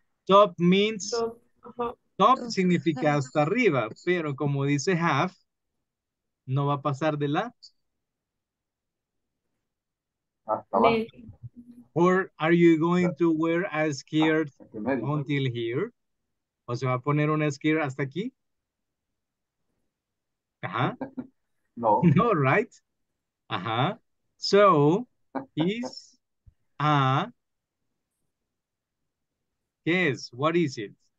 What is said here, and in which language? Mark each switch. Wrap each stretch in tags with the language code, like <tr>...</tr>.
<en>Top means top</en> <es>significa hasta arriba, pero como dice half, no va a pasar de la.</es> <en>Or are you going to wear a skirt until here?</en> <es>¿O se va a poner una skirt hasta aquí? Uh-huh. No.</es> <en>No, right? Uh-huh. So, is a... Yes, what is it?</en>